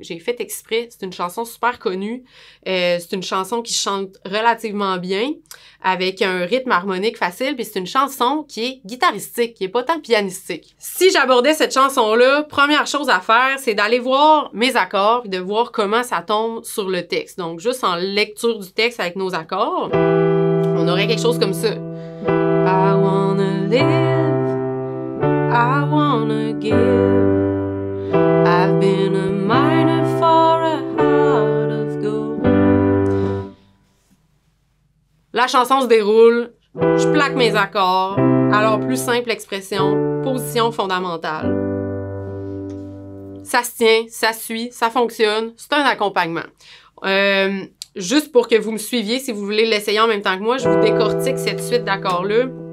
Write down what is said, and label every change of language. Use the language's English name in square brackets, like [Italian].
[French] J'ai fait exprès, c'est une chanson super connue. C'est une chanson qui chante relativement bien, avec un rythme harmonique facile, puis c'est une chanson qui est guitaristique, qui est pas tant pianistique. Si j'abordais cette chanson-là, première chose à faire, c'est d'aller voir mes accords, puis de voir comment ça tombe sur le texte. Donc juste en lecture du texte avec nos accords, on aurait quelque chose comme ça. [English] I wanna live, I wanna give, I've been a miner for a heart of gold. [French] La chanson se déroule, je plaque mes accords, alors plus simple expression, position fondamentale. Ça se tient, ça suit, ça fonctionne, c'est un accompagnement. Juste pour que vous me suiviez, si vous voulez l'essayer en même temps que moi, je vous décortique cette suite d'accords-là.